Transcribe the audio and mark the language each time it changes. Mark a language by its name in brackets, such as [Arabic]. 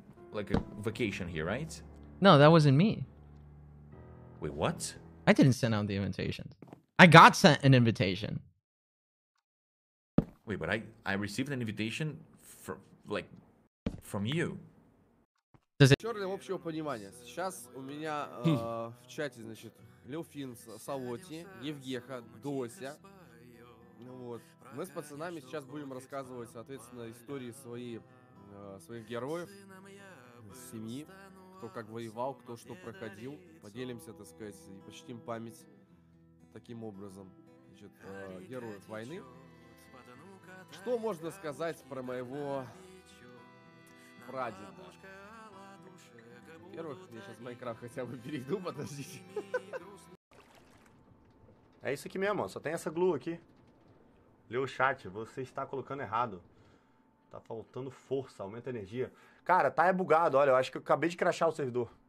[English] Like a vacation here, right? No, that wasn't me. Wait, what? I didn't send out the invitations. I got sent an invitation. Wait, but I received an invitation from, like, from you. Does it? [Russian] Черный общего понимания. Сейчас у меня в чате, значит, Люфин, Савоти, Евгеха, Дося. Ну вот. Мы с пацанами сейчас будем рассказывать, соответственно, истории свои. своих героев, семьи, кто как воевал, кто что проходил. Поделимся, так сказать, и почтим память таким образом, значит, героев войны. Что можно сказать про моего прадеда? Во-первых, я сейчас Майнкрафт хотя бы перейду, подождите. [Portuguese] É isso aqui mesmo, só tem essa glue aqui. Leu o chat, você está colocando errado. Tá faltando força, aumenta a energia. Cara, tá é bugado, olha, eu acho que eu acabei de crashar o servidor.